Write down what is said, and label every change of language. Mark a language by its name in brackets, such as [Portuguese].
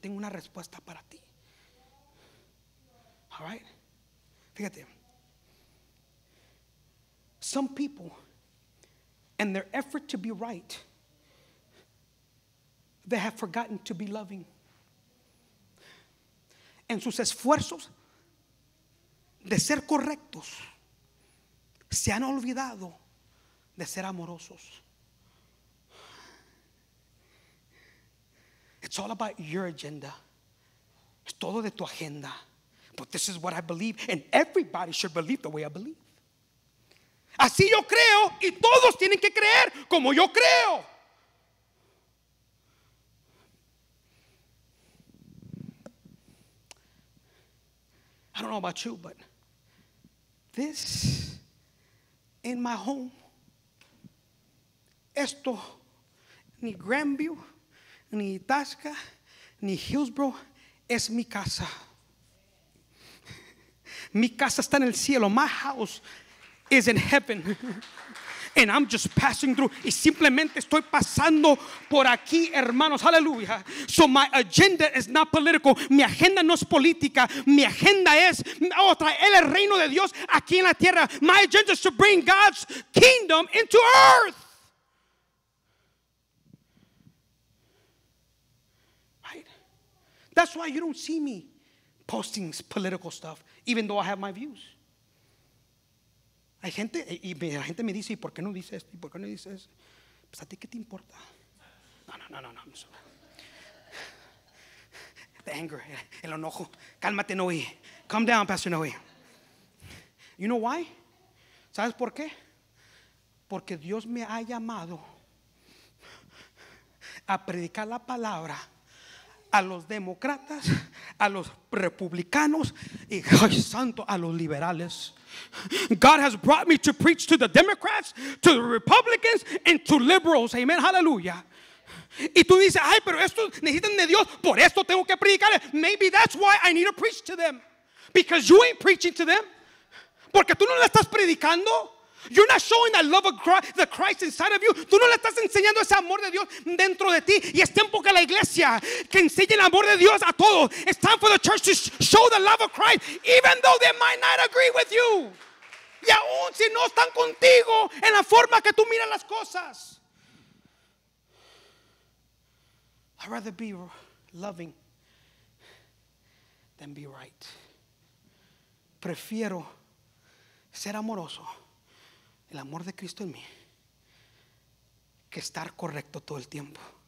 [Spanish] Tengo una respuesta para ti. [English] All right? [Spanish] Fíjate. [English] Some people, in their effort to be right, they have forgotten to be loving. [Spanish] En sus esfuerzos de ser correctos, se han olvidado de ser amorosos. [English] It's all about your agenda. [Spanish] Es todo de tu agenda. [English] But this is what I believe, and everybody should believe the way I believe. [Spanish] Así yo creo, y todos tienen que creer como yo creo. [English] I don't know about you, but this in my home, [Spanish] esto, ni Grandview, ni Itasca, ni Hillsborough, es mi casa. Mi casa está en el cielo. [English] My house is in heaven. And I'm just passing through. [Spanish] Y simplemente estoy pasando por aquí, hermanos. Hallelujah. [English] So my agenda is not political. [Spanish] Mi agenda no es política. Mi agenda es traer el reino de Dios aquí en la tierra. [English] My agenda is to bring God's kingdom into earth. That's why you don't see me posting political stuff, even though I have my views. [Spanish] Hay gente, y la gente me dice, ¿y por qué no dice esto? ¿Y por qué no dice eso? Pues a ti, ¿qué te importa? [English] No. I'm sorry. The anger, [Spanish] el enojo. Cálmate, Noé. [English] Calm down, Pastor Noé. You know why? [Spanish] ¿Sabes por qué? Porque Dios me ha llamado a predicar la palabra a los demócratas, a los republicanos, y ay, santo, a los liberales. [English] God has brought me to preach to the Democrats, to the Republicans, and to liberals. Amen. Hallelujah. [Spanish] Y tú dices, ay, pero estos necesitan de Dios, por esto tengo que predicar. [English] Maybe that's why I need to preach to them. Because you ain't preaching to them. [Spanish] Porque tú no le estás predicando. [English] You're not showing that love of Christ, the Christ inside of you. [Spanish] Tú no le estás enseñando ese amor de Dios dentro de ti. Y es tiempo que la iglesia que enseñe el amor de Dios a todos. [English] It's time for the church to show the love of Christ, even though they might not agree with you. [Spanish] Y aún si no están contigo en la forma que tú miras las cosas. [English] I'd rather be loving than be right. [Spanish] Prefiero ser amoroso, el amor de Cristo en mí, que estar correcto todo el tiempo.